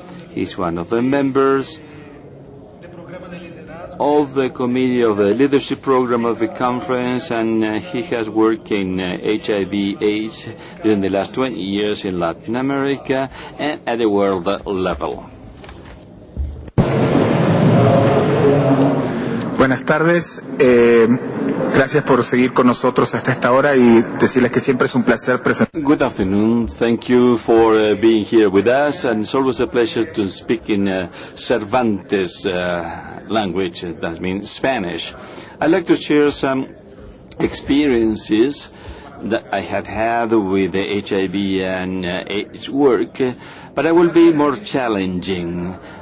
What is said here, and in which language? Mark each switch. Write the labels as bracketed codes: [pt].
[en] He's one of the members of the Committee of the Leadership Program of the Conference, and he has worked in HIV/AIDS during the last 20 years in Latin America and at the world level. [es] Buenas tardes. Gracias por seguir con nosotros hasta esta hora y decirles que siempre es un placer presentar. [en] Good afternoon. Thank you for being here with us, and it's always a pleasure to speak in Cervantes language, that means Spanish. I'd like to share some experiences that I have had with the HIV and AIDS work, but I will be more challenging.